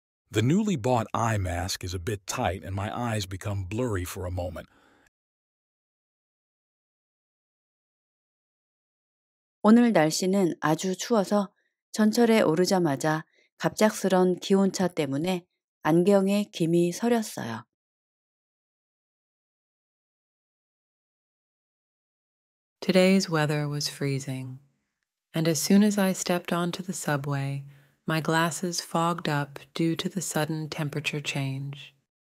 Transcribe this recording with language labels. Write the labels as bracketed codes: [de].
[en] The newly bought eye mask is a bit tight, and my eyes become blurry for a moment. [ko] 오늘 날씨는 아주 추워서 전철에 오르자마자 갑작스런 기온차 때문에 안경에 김이 서렸어요. [en] Today's weather was freezing, and as soon as I stepped onto the subway, my glasses fogged up due to the sudden temperature change.